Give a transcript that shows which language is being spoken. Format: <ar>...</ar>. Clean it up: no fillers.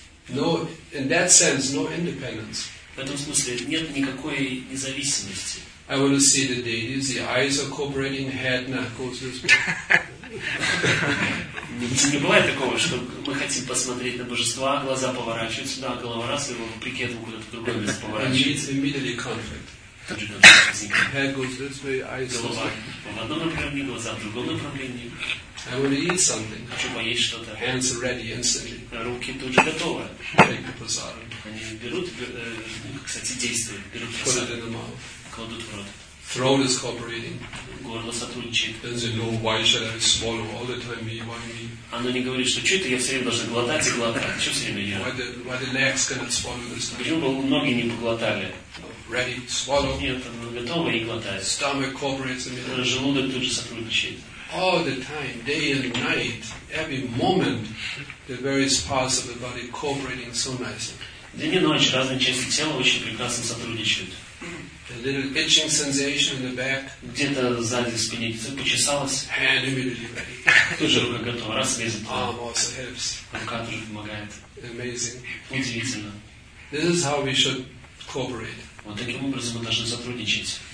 <en>No, in that sense, no independence.</en> <ru>В этом смысле нет никакой независимости.</ru> <en>I want to see the deities, the eyes are cooperating, head not goes this way.</en> <ru>Не бывает такого, что мы хотим посмотреть на божества, глаза поворачивают сюда, голова раз, и вопреки этому куда-то в другое место поворачивается.</ru> <en>Immediately conflict. Head goes this way, eyes goes this way.</en> <ru>В одном направлении, глаза в другом направлении.</ru> <en>I want to eat something.</en> <ru>Хочу поесть что-то.</ru> <en>Hands are ready instantly.</en> <ru>Руки тут же готовы.</ru> <en>Take the prasad.</en> <ru>Они берут, кстати, действуют, берут</ru> <en>prasad. Put it in the mouth.</en> <ru>Кладут в рот.</ru> <en>Throat is cooperating.</en> <ru>Горло сотрудничает.</ru> <en>Doesn't it know why should I swallow all the time me, why me?</en> <ru>Оно не говорит, что что-то я все время должен глотать и глотать. Что все время я?</ru> <en>Why the legs cannot swallow this time?</en> <ru>Почему бы ноги не поглотали?</ru> <en>Ready, swallow.</en> <ru>Нет, оно готово и глотает.</ru> <en>Stomach cooperates immediately.</en> <ru>Желудок тут же сотрудничает.</ru> <en>All the time, day and night, every moment, the various parts of the body cooperating so nicely.</en> <ru>День и ночь, разные части тела очень прекрасно сотрудничают.</ru> <en>A little itching sensation in the back.</en> <ru>Где-то сзади в спине все почесалось.</ru> <en>Hand immediately ready.</en> <ru>Тут же рука готова, раз лезет.</ru> <en>Arm also helps.</en> <ru>Рука тоже помогает.</ru> <en>Amazing.</en> <ru>Удивительно.</ru> <en>This is how we should cooperate.</en> <ru>Вот таким образом мы должны сотрудничать.</ru>